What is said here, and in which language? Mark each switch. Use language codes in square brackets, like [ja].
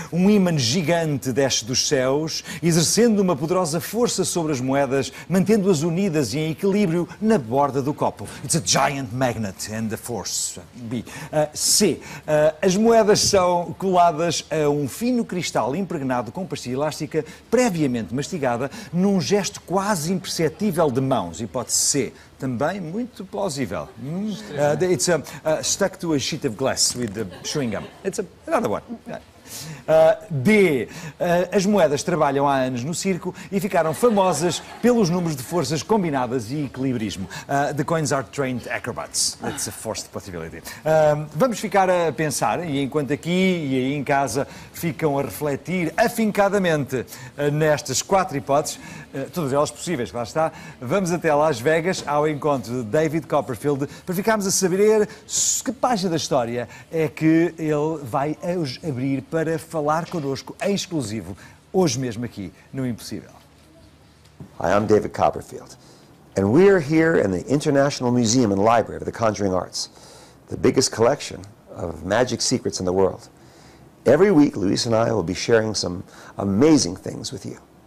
[pt] Um ímã gigante desce dos céus, exercendo uma poderosa força sobre as moedas, mantendo-as unidas e em equilíbrio na borda do copo. [en] It's a giant magnet and the force. B. C. [pt] As moedas são coladas a um fino cristal impregnado com pastilha elástica, previamente mastigada, num gesto quase imperceptível de mãos. Hipótese C. Também muito plausível. [en] It's a, stuck to a sheet of glass with the chewing gum. It's a, another one. D. [pt] As moedas trabalham há anos no circo e ficaram famosas pelos números de forças combinadas e equilibrismo. [en] The coins are trained acrobats. That's a forced possibility. [pt] Vamos ficar a pensar, e enquanto aqui e aí em casa ficam a refletir afincadamente nestas quatro hipóteses, todas elas possíveis, lá está, vamos até Las Vegas ao encontro de David Copperfield para ficarmos a saber que página da história é que ele vai abrir para falar connosco em exclusivo, hoje mesmo aqui, no Impossível. [en] Hi, I'm David Copperfield, and we are here in the International Museum and Library of the Conjuring Arts, the biggest collection of magic secrets in the world. Every week, Luis and I will be sharing some amazing things with you.